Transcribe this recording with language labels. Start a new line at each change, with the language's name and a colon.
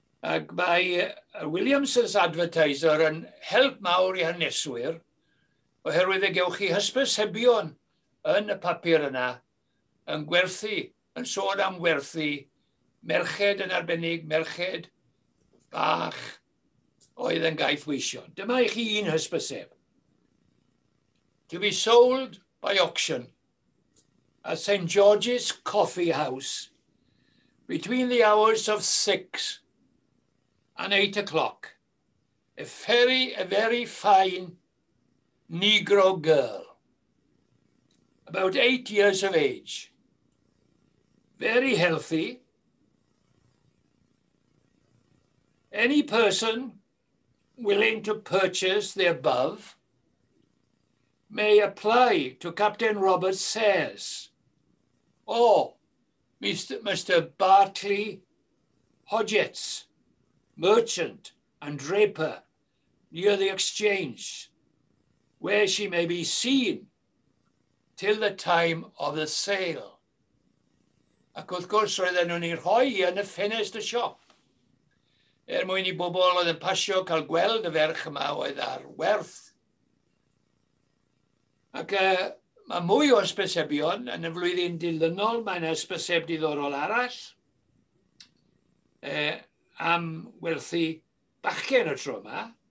Welsh: Ac mae Williamson's Advertiser yn help mawr i haneswyr oherwydd y gewch chi hysbysebion yn y papur yna yn gwerthu, yn sôn am gwerthu merched yn arbennig, merched bach oedd yn gaethweision. Dyma i chi un hysbyseb.
English: To be sold by auction at St George's Coffee House between the hours of 6 and 8 o'clock, a very fine Negro girl, about 8 years of age, very healthy. Any person willing to purchase the above may apply to Captain Robert Sayers or Mr. Bartley Hodgetts, merchant and draper near the exchange, where she may be seen till the time of the sale.
Welsh: Ac wrth gwrs roedden nhw'n ei rhoi yn y ffenest y siop. Er mwyn i bobl oedd yn pasio cael gweld y ferch yma oedd ar werth. Ac mae mwy o ysbysebion yn y flwyddyn dilynol, mae'n ysbyseb diddorol arall am werthu bachgen y tro yma.